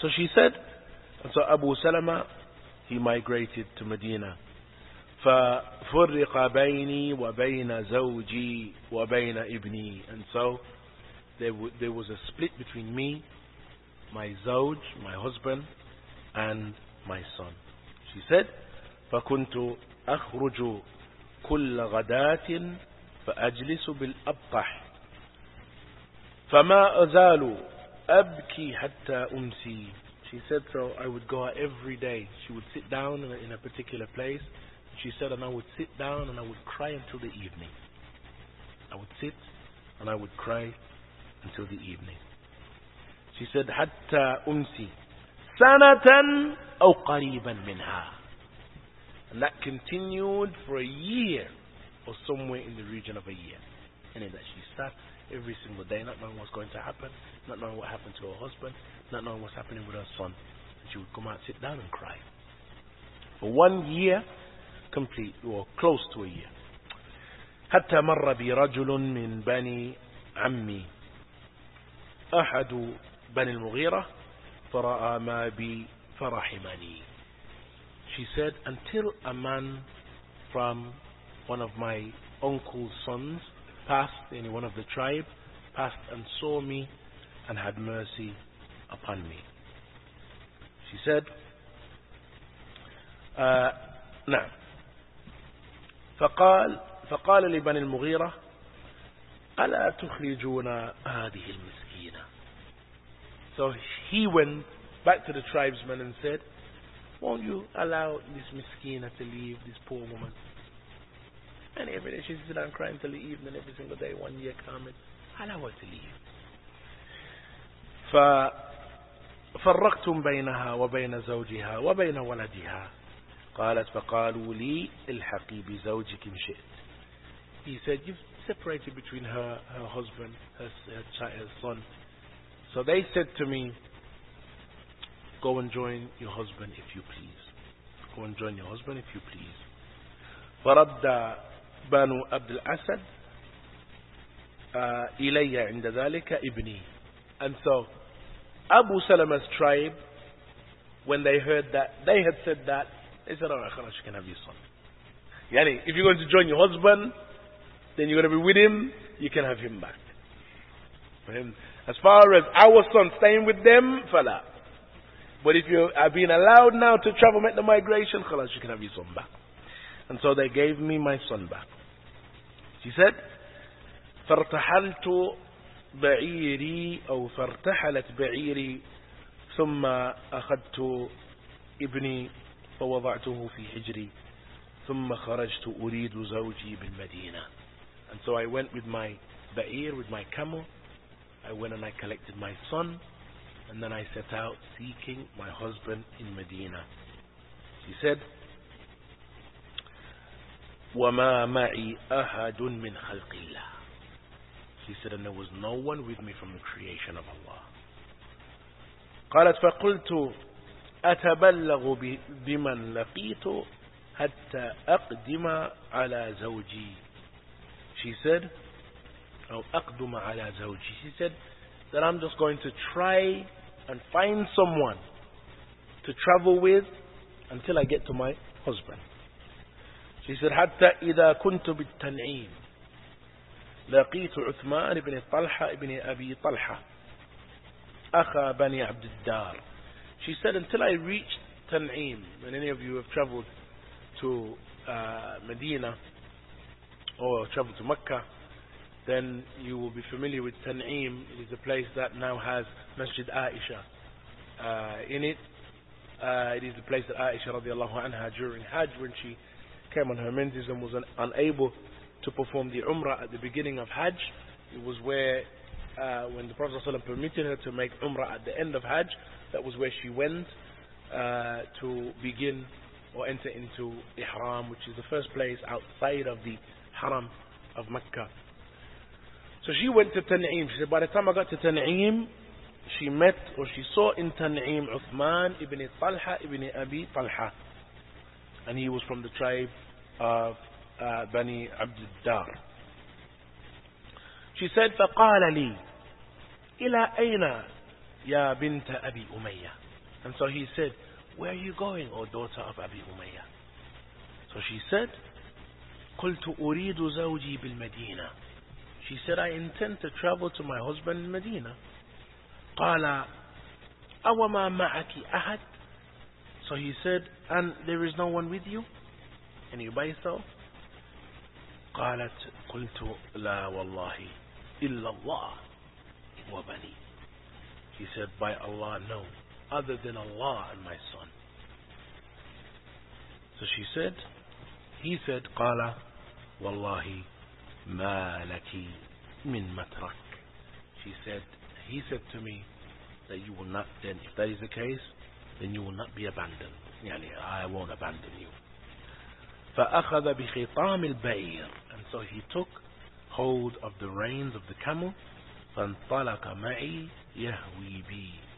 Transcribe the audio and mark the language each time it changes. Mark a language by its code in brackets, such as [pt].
[en] So she said, so Abu Salama, he migrated to Medina. [ar] فَفُرِّقَ بَيْنِي وَبَيْنَ زَوْجِي وَبَيْنَ إِبْنِي. [en] And so, there was a split between me, my zawj, my husband, and my son. She said, [ar] فَكُنْتُ أَخْرُجُ كُلَّ غَدَاتٍ فَأَجْلِسُ بِالْأَبْطَحِ فَمَا أَزَالُ أَبْكِي حَتَّى أُمْسِي. [en] She said, so I would go out every day. She would sit down in a particular place. She said, and I would sit down and I would cry until the evening. I would sit and I would cry until the evening. She said, [ar] Hatta umsi sanatan aw qariban minha. [en] And that continued for a year or somewhere in the region of a year. And in that she sat every single day, not knowing what's going to happen, not knowing what happened to her husband, not knowing what's happening with her son. And she would come out, sit down and cry. For 1 year, complete or close to a year. [ar] حتى مر بي رجل من بني عمي أحد بني المغيرة فرأى ما بي فرحمني. [en] She said, until a man from one of my uncle's sons passed, any one of the tribe passed and saw me and had mercy upon me. She said, نعم. [ar] فقال لبني المغيرة ألا تخرجون هذه المسكينة. [en] So he went back to the tribesmen and said, won't you allow this miskina to leave, this poor woman? And every day she's sitting down crying till the evening, every single day, 1 year coming, allow her to leave. [ar] ففرقتم بينها وبين زوجها وبين ولدها. قالت فقالوا لي الحقي بزوجك إن شئت. [en] He said, you've separated between her husband, her child, her son. So they said to me, go and join your husband if you please. Go and join your husband if you please. [ar] فرد بنو عبد الأسد إلي عند ذلك ابني. [en] And so Abu Salama's tribe, when they heard that, they had said that, they said, alright, خلاص, you can have your son. Yani, if you're going to join your husband, then you're going to be with him, you can have him back. As far as our son staying with them, fala. But if you are being allowed now to travel, make the migration, خلاص, you can have your son back. And so they gave me my son back. She said, [ar] فارتحلت بعيري أو فارتحلت بعيري ثم أخذت ابني فوضعته في حجري ثم خرجت أريد زوجي بالمدينة. [en] And so I went with my ba'ir, with my camel. I went and I collected my son, and then I set out seeking my husband in Medina. She said, [ar] وما معي أحد من خلق الله. [en] She said, and there was no one with me from the creation of Allah. [ar] قالت فقلت أتبلغ بمن لقيت حتى أقدم على زوجي. [en] She said, [ar] أو أقدم على زوجي. [en] She said that I'm just going to try and find someone to travel with until I get to my husband. She said, [ar] حتى إذا كنت بالتنعيم لقيت عثمان بن طلحة بن أبي طلحة أخا بني عبد الدار. [en] She said, until I reached Tan'im, and any of you have traveled to Medina or traveled to Mecca, then you will be familiar with Tan'im. It is a place that now has Masjid Aisha in it. It is the place that Aisha radiallahu anha, during Hajj, when she came on her menses and was unable to perform the Umrah at the beginning of Hajj, it was where, when the Prophet ﷺ permitted her to make Umrah at the end of Hajj, that was where she went to begin or enter into Ihram, which is the first place outside of the Haram of Mecca. So she went to Tan'im. She said, by the time I got to Tan'im, she met or she saw in Tan'im Uthman ibn Talha ibn Abi Talha, and he was from the tribe of Bani Abd al-Dar. She said, [ar] فَقَالَ لِي إِلَىٰ أَيْنَ يَا بِنْتَ أَبِي أُمَيَّةِ. [en] And so he said, where are you going, O daughter of Abi Umayya? So she said, [ar] قُلْتُ أُرِيدُ زَوْجِي بِالْمَدِينَةِ. [en] She said, I intend to travel to my husband in Medina. [ar] قَالَ أَوَمَا مَعَكِ أَحَدٍ. [en] So he said, and there is no one with you? And you by yourself? [ar] قَالَتْ قُلْتُ لَا وَاللَّهِ إِلَّا اللَّهِ وَبَنِي. [en] He said, by Allah, no, other than Allah and my son. So she said, he said, [ar] قَالَ وَاللَّهِ مَا لَكِ مِن مَتْرَكِ. [en] She said, he said to me, that you will not, then if that is the case, then you will not be abandoned. Yani, I won't abandon you. [ar] فَأَخَذَ بِخِطَامِ الْبَيْرِ. [en] And so he took hold of the reins of the camel. [ar] فَانْطَلَقَ مَعِي يَهْوِي بِي.